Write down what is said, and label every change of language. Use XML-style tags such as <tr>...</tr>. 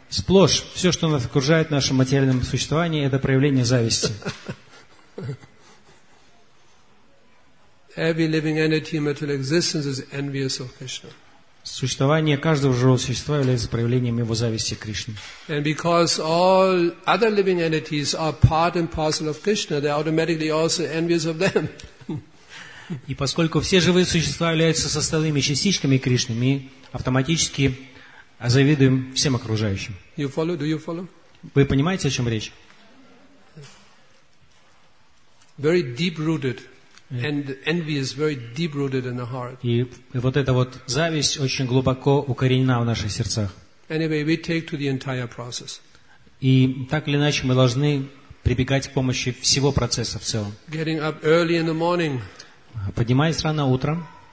<ru>Сплошь, все, что нас окружает в нашем материальном существовании, это проявление зависти.</ru> <en>Every living entity in material existence is envious of Krishna.</en> <ru>Существование каждого живого существа является проявлением его зависти к Кришне.</ru> <en>And because all other living entities are part and parcel of Krishna, they are automatically also envious of them.</en> <ru>И поскольку все живые существа являются составными частичками Кришны, мы автоматически завидуем всем окружающим.</ru> <en>You follow? Do you follow?</en> <ru>Вы понимаете, о чем речь?</ru> <en>Very deep rooted. And envy is very deep rooted in the heart.</en> <ru>И вот эта вот зависть очень глубоко укоренена в наших сердцах.</ru> <en>Anyway, we take to the entire process.</en> <ru>И так или иначе мы должны прибегать к помощи всего процесса в целом.</ru> <en>Getting up early in the morning.</en> <ru>Поднимаясь рано утром.</ru>